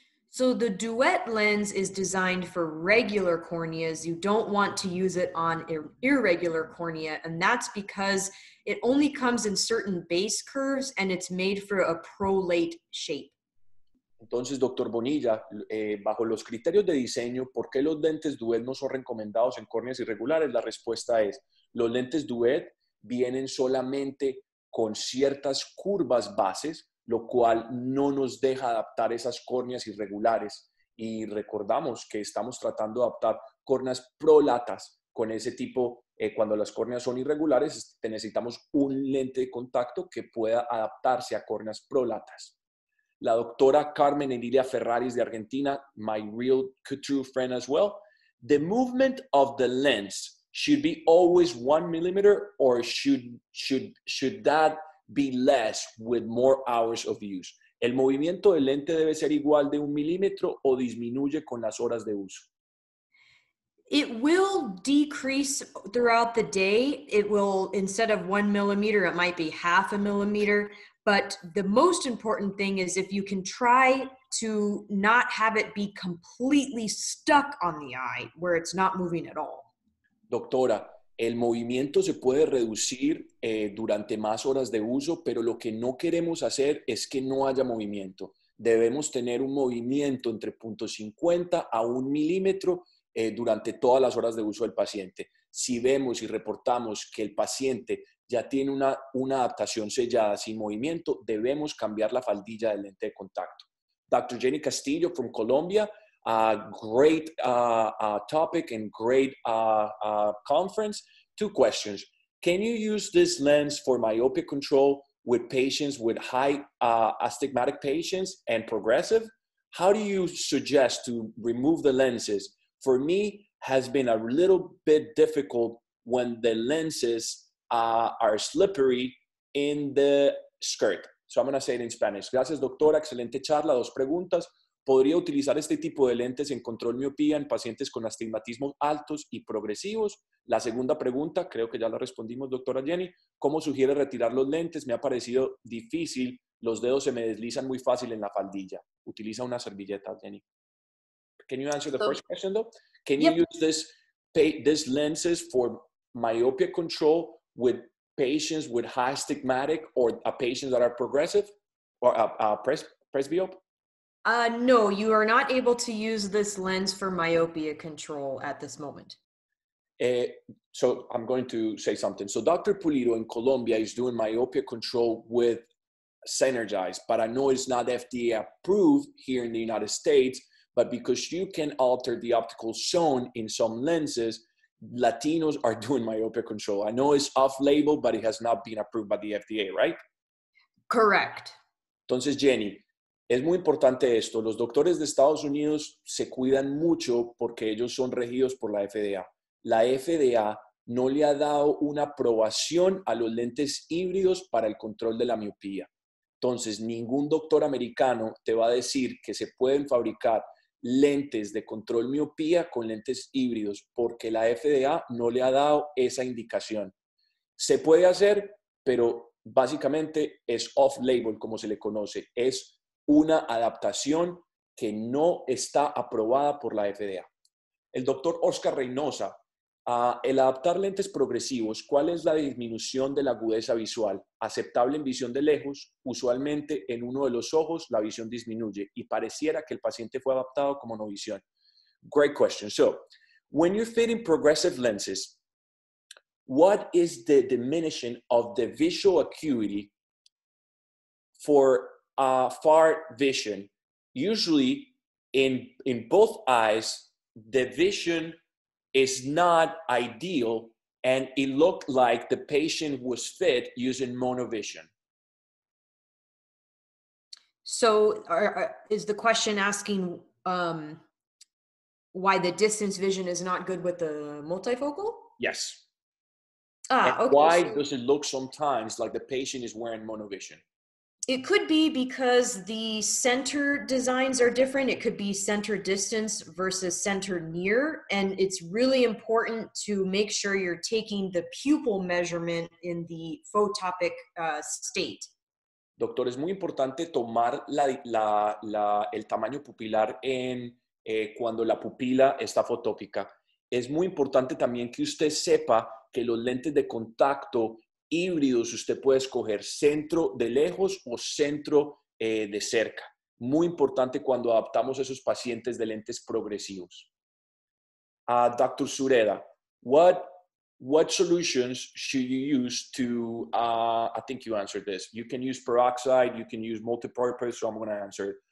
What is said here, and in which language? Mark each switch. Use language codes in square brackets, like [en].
[en] So the duet lens is designed for regular corneas. You don't want to use it on irregular cornea, and that's because it only comes in certain base curves and it's made for a prolate shape. [es] Entonces, Dr. Bonilla, bajo los criterios de diseño, ¿por qué los lentes duet no son recomendados en córneas irregulares? La respuesta es, los lentes duet vienen solamente con ciertas curvas bases, lo cual no nos deja adaptar esas córneas irregulares. Y recordamos que estamos tratando de adaptar córneas prolatas con ese tipo. Cuando las córneas son irregulares, necesitamos un lente de contacto que pueda adaptarse a córneas prolatas. La doctora Carmen Emilia Ferraris de Argentina, [en] my real true friend as well. The movement of the lens should be always 1 millimeter or should that be less with more hours of use? [es] ¿El movimiento del lente debe ser igual de 1 millimeter o disminuye con las horas de uso? [en] It will decrease throughout the day. It will, instead of 1 millimeter, it might be 0.5 millimeter. But the most important thing is if you can try to not have it be completely stuck on the eye where it's not moving at all. [es] Doctora, el movimiento se puede reducir durante más horas de uso, pero lo que no queremos hacer es que no haya movimiento. Debemos tener un movimiento entre 0.50 a 1 milímetro durante todas las horas de uso del paciente. Si vemos y reportamos que el paciente ya tiene una adaptación sellada sin movimiento, debemos cambiar la faldilla del lente de contacto. [en] Dr. Jenny Castillo from Colombia, a great topic and great conference. Two questions. Can you use this lens for myopia control with patients with high astigmatic patients and progressive? How do you suggest to remove the lenses? For me, has been a little bit difficult when the lenses are slippery in the skirt. So I'm going to say it in Spanish. [es] Gracias, doctora. Excelente charla. Dos preguntas. ¿Podría utilizar este tipo de lentes en control miopía en pacientes con astigmatismos altos y progresivos? La segunda pregunta, creo que ya la respondimos, doctora Jenny. ¿Cómo sugiere retirar los lentes? Me ha parecido difícil. Los dedos se me deslizan muy fácil en la faldilla. Utiliza una servilleta, [en] Jenny. Can you answer the first question, though? Can you use this lenses for myopia control with patients with high astigmatic or a patients that are progressive or presbyope? No, you are not able to use this lens for myopia control at this moment. So I'm going to say something. So Dr. Pulido in Colombia is doing myopia control with Synergize, but I know it's not FDA approved here in the United States, but because you can alter the optical zone in some lenses, Latinos are doing myopia control. I know it's off-label, but it has not been approved by the FDA, right? Correct. [es] Entonces, Jenny, es muy importante esto. Los doctores de Estados Unidos se cuidan mucho porque ellos son regidos por la FDA. La FDA no le ha dado una aprobación a los lentes híbridos para el control de la miopía. Entonces, ningún doctor americano te va a decir que se pueden fabricar lentes de control miopía con lentes híbridos porque la FDA no le ha dado esa indicación. Se puede hacer, pero básicamente es off-label, como se le conoce. Es una adaptación que no está aprobada por la FDA. El doctor Oscar Reynosa, el adaptar lentes progresivos, ¿cuál es la disminución de la agudeza visual? Aceptable en visión de lejos, usualmente en uno de los ojos la visión disminuye y pareciera que el paciente fue adaptado como no visión. [en] Great question. So, when you're fitting progressive lenses, what is the diminishing of the visual acuity for far vision? Usually, in both eyes, the vision is not ideal, and it looked like the patient was fit using monovision. So is the question asking why the distance vision is not good with the multifocal? Yes. Ah, okay. Why does it look sometimes like the patient is wearing monovision? It could be because the center designs are different. It could be center distance versus center near. And it's really important to make sure you're taking the pupil measurement in the photopic state. [es] Doctor, es muy importante tomar el tamaño pupilar en cuando la pupila está fotópica. Es muy importante también que usted sepa que los lentes de contacto híbridos, usted puede escoger centro de lejos o centro de cerca. Muy importante cuando adaptamos a esos pacientes de lentes progresivos. [en] Dr. Sureda, what solutions should you use to, I think you answered this. You can use peroxide, you can use multipurpose, so I'm going to answer it.